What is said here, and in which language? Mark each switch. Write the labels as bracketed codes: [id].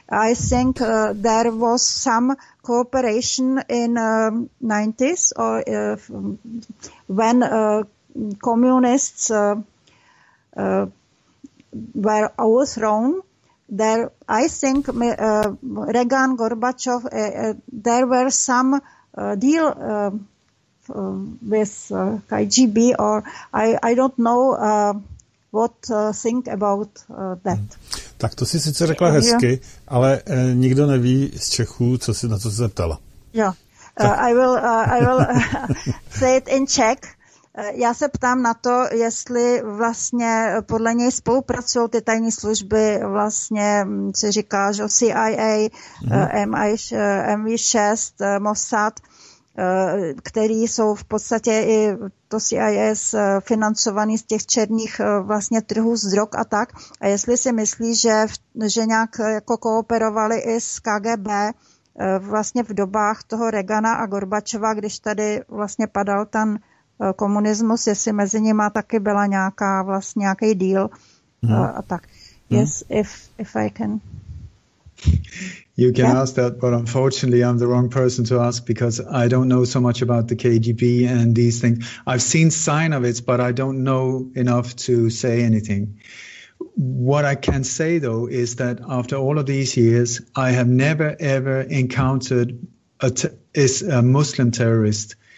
[en] I think there was some cooperation in the 90s or when communists were overthrown there. I think Reagan, Gorbachev, there were some deal with KGB, or I don't know what think about that. [cs] Tak to si sice řekla hezky, ale nikdo neví z Čechů, co si na to zeptala. [en] Jo. I will say it in Czech. [cs] Já se ptám na to, jestli vlastně podle něj spolupracují ty tajní služby, vlastně se říká, že CIA, MI6, Mossad, který jsou v podstatě i to CIS financovaný z těch černých vlastně trhů z drog a tak. A jestli si myslí, že nějak jako kooperovali i s KGB vlastně v dobách toho Reagana a Gorbačova, když tady vlastně padal ten komunismus, jestli mezi nima taky byla nějaká vlastně nějaký deal a tak. [en] Yes, if I can. You can ask that, but unfortunately I'm the wrong person to ask, because I don't know so much about the KGB and these things. I've seen sign of it, but I don't know enough to say anything. What I can say though is that after all of these years, I have never ever encountered a Muslim terrorist.